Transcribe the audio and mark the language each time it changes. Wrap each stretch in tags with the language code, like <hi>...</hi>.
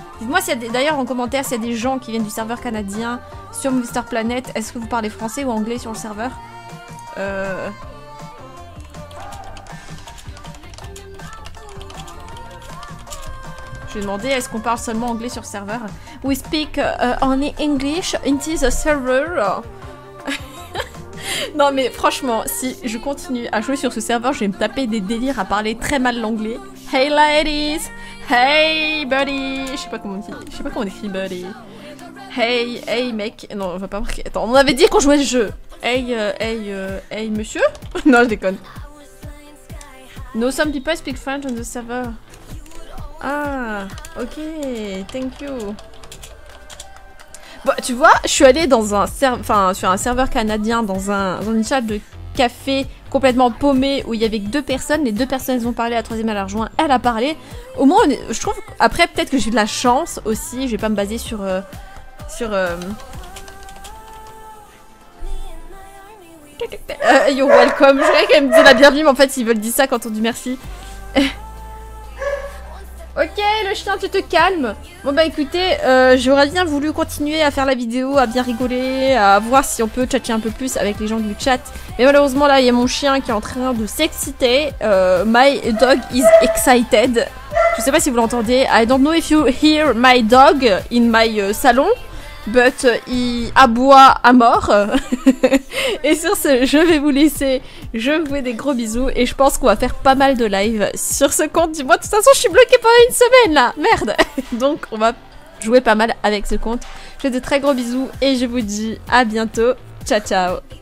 <fr>Dites-moi s'il y a d'ailleurs en commentaire s'il y a des gens qui viennent du serveur canadien sur Movistar Planet. Est-ce que vous parlez français ou anglais sur le serveur? Je vais demander est-ce qu'on parle seulement anglais sur le serveur.</fr> <en>We speak only English into the server.</en> <fr>Non mais franchement, si je continue à jouer sur ce serveur, je vais me taper des délires à parler très mal l'anglais.</fr> <en>Hey ladies! Hey buddy!</en> <fr>Je sais pas comment on dit. Je sais pas comment on écrit buddy. Hey, hey mec. Non, on va pas marquer. Attends, on avait dit qu'on jouait le jeu. Hey monsieur. Non, je déconne.</fr> <en>No, some people speak French on the server. Ah, ok, thank you.</en> <fr>Bah, tu vois, je suis allée dans un sur un serveur canadien, dans une salle de café complètement paumée où il y avait que deux personnes. Les deux personnes, elles ont parlé, la troisième, elle a rejoint, elle a parlé. Au moins, je trouve, après, peut-être que j'ai de la chance aussi, je vais pas me baser sur</fr> <en>you're welcome.</en> <fr>Je voulais qu'elle me dise la bienvenue, mais en fait, ils veulent dire ça quand on dit merci. Ok, le chien, tu te calmes. Bon bah écoutez, j'aurais bien voulu continuer à faire la vidéo, à bien rigoler, à voir si on peut chatter un peu plus avec les gens du chat. Mais malheureusement, là, il y a mon chien qui est en train de s'exciter.</fr> <en>My dog is excited.</en> <fr>Je sais pas si vous l'entendez.</fr> <en>I don't know if you hear my dog in my salon, but</en> <fr>il aboie à mort. Et sur ce, je vais vous laisser. Je vous fais des gros bisous et je pense qu'on va faire pas mal de live sur ce compte. Dis-moi, de toute façon, je suis bloquée pendant une semaine là. Merde. Donc, on va jouer pas mal avec ce compte. Je fais de très gros bisous et je vous dis à bientôt. Ciao, ciao.</fr>